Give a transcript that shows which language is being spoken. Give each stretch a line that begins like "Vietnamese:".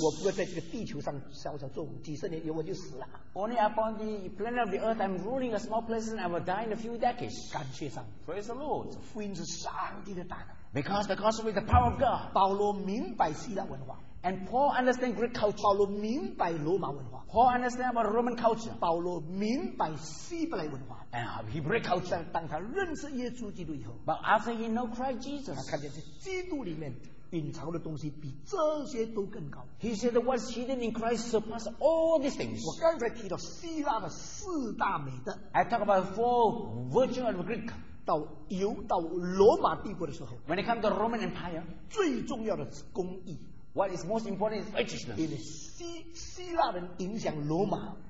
Chinese: 我不会在这个地球上小小做几十年，我就死了。
English: Only upon the planet of the earth, I'm ruling a small place and I will die in a few decades.
Chinese: 感谢上,
English: praise the Lord.
Chinese: 福音是上帝的大能。
English: Because the gospel is the power of God.
Chinese: 保罗明白希腊文化。
English: And Paul understands Greek culture.
Chinese: 保罗明白罗马文化。
English: Paul understands about Roman culture.
Chinese: 保罗明白希伯来文化。
English: And Hebrew culture.
Chinese: 当他认识耶稣基督以后,
English: but after he knows Christ Jesus,
Chinese: 他看见基督里面 隐藏的东西比这些都更高。
English: He said that what's hidden in Christ surpasses all these things.
Chinese: 我刚才提到希腊的四大美德。
English: I talk about four virtues of Greek.
Chinese: 到罗马帝国的时候,
English: when it comes to Roman Empire,
Chinese: 最重要的是公义。
English: What is most important is righteousness.
Chinese: 因为希腊人影响罗马,